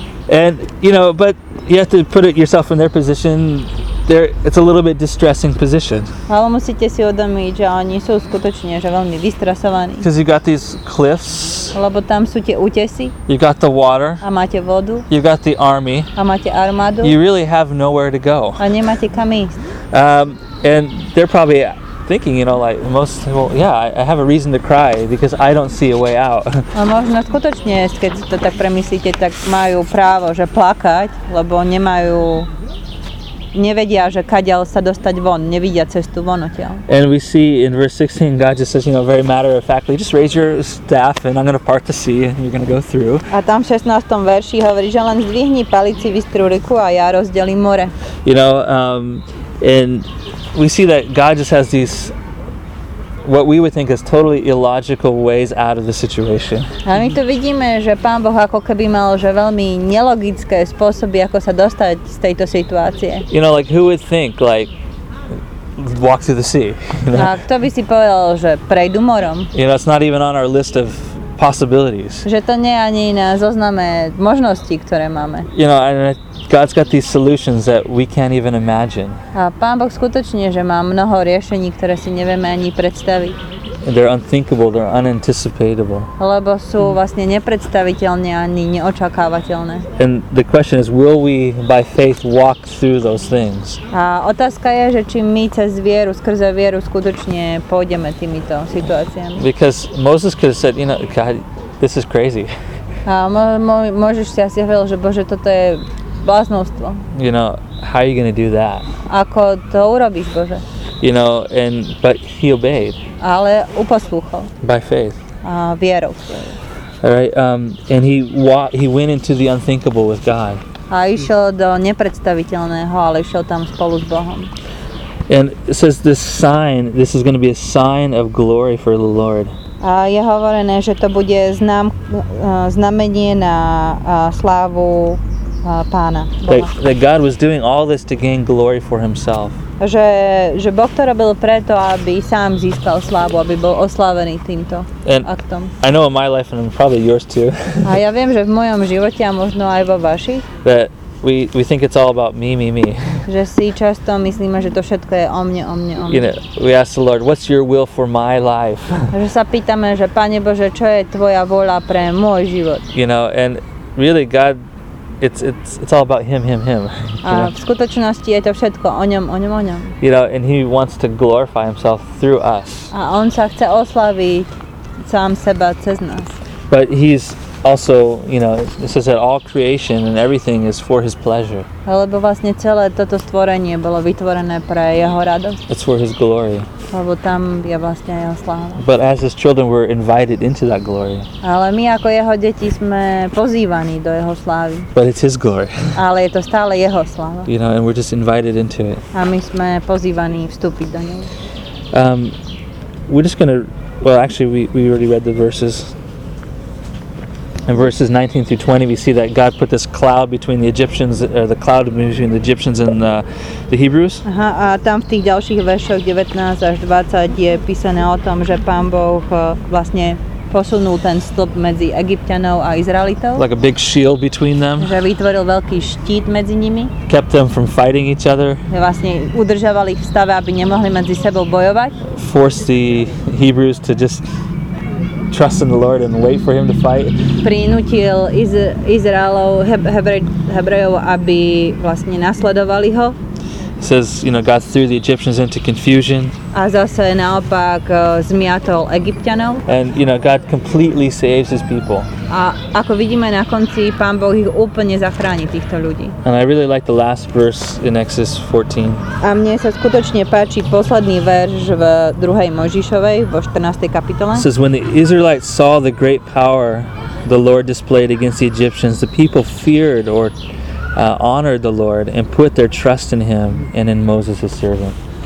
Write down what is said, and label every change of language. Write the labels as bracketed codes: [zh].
[en] And you know, but you have to put it yourself in their position. There, it's a little bit distressing position. [sk] Ale musíte si uvedomiť, že oni sú skutočne že veľmi vystresovaní. [en] Because you got these cliffs. [sk] Lebo tam sú tie útesy. [en] You got the water. [sk] A máte vodu. [en] You got the army. [sk] A máte armádu. [en] You really have nowhere to go. [sk] A nemáte kam ísť. [en] And they're probably thinking, you know, like most, well, yeah, I have a reason to cry because I don't see a way out. [sk] A možno skutočne, keď to tak premyslíte, tak majú právo, že plakať, lebo nevedia, že kadiaľ sa dostať von, nevidia cestu von odtiaľ. [en] And we see in verse 16, God just says, you know, very matter of factly, just raise your staff and I'm going to part the sea and you're going to go through. [sk] A tam v 16. verši hovorí, že len zdvihni palici, vystrú ruku a ja rozdelím more. [en] You know, and we see that God just has these what we would think is totally illogical ways out of the situation. [sk] A my tu vidíme, že Pán Boh ako keby mal že veľmi nelogické spôsoby, ako sa dostať z tejto situácie. [en] You know, like who would think, like, walk through the sea? You know? [sk] A kto by si povedal, že prejdu morom? [en] You know, it's not even on our list of possibilities. [sk] Že to nie je ani na zozname možností, ktoré máme. [en] You know, and God's got these solutions that we can't even imagine. [sk] A Pán Boh skutočne, že má mnoho riešení, ktoré si nevieme ani predstaviť. [en] they're unthinkable, they're unanticipatable. [sk] Lebo sú vlastne nepredstaviteľné ani neočakávateľné. [en] And the question is, will we by faith walk through those things? [sk] A otázka je, že či my cez vieru, skrze vieru skutočne pôjdeme týmito situáciami. [en] Because Moses could have said, you know, God, this is crazy. [sk] A môžeš si asi hovoril, že Bože, toto je bláznostvo. [en] You know, how are you going to do that? [sk] Ako to urobíš, Bože? [en] You know, and but he obeyed. [sk] Ale uposlúchol. [en] By faith. [sk] Vierou. [en] All right. And he went into the unthinkable with God. [sk] A išiel do nepredstaviteľného, ale išiel tam spolu s Bohom. [en] And it says this sign, this is going to be a sign of glory for the Lord. [sk] A je hovorené, že to bude znamenie na slávu Pána. [en] That God was doing all this to gain glory for himself. [sk] Že Boh to robil preto, aby sám získal slávu, aby bol oslavený týmto aktom. [en] I know in my life and probably yours too. [sk] A ja viem, že v mojom živote a možno aj vo vašich. [en] That we think it's all about me. [sk] Že si často myslíme, že to všetko je o mne. [en] You know, we ask the Lord, what's your will for my life? [sk] Že sa pýtame, že Pane Bože, čo je tvoja vôľa pre môj život? [en] You know, and really God, it's all about him. [sk] A v skutočnosti je to všetko o ňom. [en] You know, and he wants to glorify himself through us. [sk] A on sa chce oslaviť sám seba cez nás. [en] But he's also, you know, it says that all creation and everything is for his pleasure. [sk] Lebo vlastne celé toto stvorenie bolo vytvorené pre jeho radosť. [en] It's for his glory. [sk] Lebo tam je vlastne jeho sláva. [en] But as his children were invited into that glory. [sk] Ale my ako jeho deti sme pozývaní do jeho slávy. [en] But it's his glory. [sk] Ale je to stále jeho sláva. [en] You know, and we're just invited into it. [sk] A my sme pozývaní vstúpiť do neho. [en] We're just gonna, well actually we already read the verses. In verses 19 through 20, we see that God put this cloud between the Egyptians, or the cloud between the Egyptians and the Hebrews. [sk] Aha, a tam v tých ďalších veršoch 19 až 20 je písané o tom, že Pán Boh vlastne posunul ten stĺp medzi Egypťanov a Izraelitov. [en] Like a big shield between them. [sk] Že vytvoril veľký štít medzi nimi. [en] Kept them from fighting each other. [sk] Vlastne udržoval ich v stave, aby nemohli medzi sebou bojovať. [en] Forced the Hebrews to just trust in the Lord and wait for him to fight. [sk] Prinútil Izraelov, Hebrejov, aby vlastne nasledovali ho. [en] It says, you know, God threw the Egyptians into confusion. [sk] A zase naopak zmiatol Egypťanov. [en] And, you know, God completely saves his people. [sk] A ako vidíme na konci, Pán Boh ich úplne zachráni, týchto ľudí. [en] And I really like the last verse in Exodus 14. [sk] A mne sa skutočne páči posledný verš v 2. Mojžišovej, vo 14. kapitole. [en] It says, when the Israelites saw the great power the Lord displayed against the Egyptians, the people feared or honored the Lord and put their trust in him and in Moses his servant.